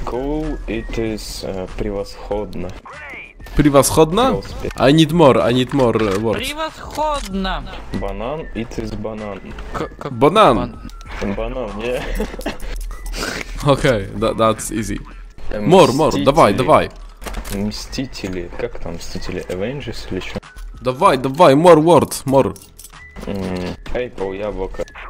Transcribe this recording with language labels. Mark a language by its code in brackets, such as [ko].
[en] Cool, it is превосходно. Превосходно? I need more words. [ru] Превосходно! [en] Банан, it is banan. [ru] Банан? Банан, yeah. [en] Окей, that's easy. More, давай. [ru] Мстители, как там мстители? Avengers или что? [en] Давай, more words, more. Apple, яблоко.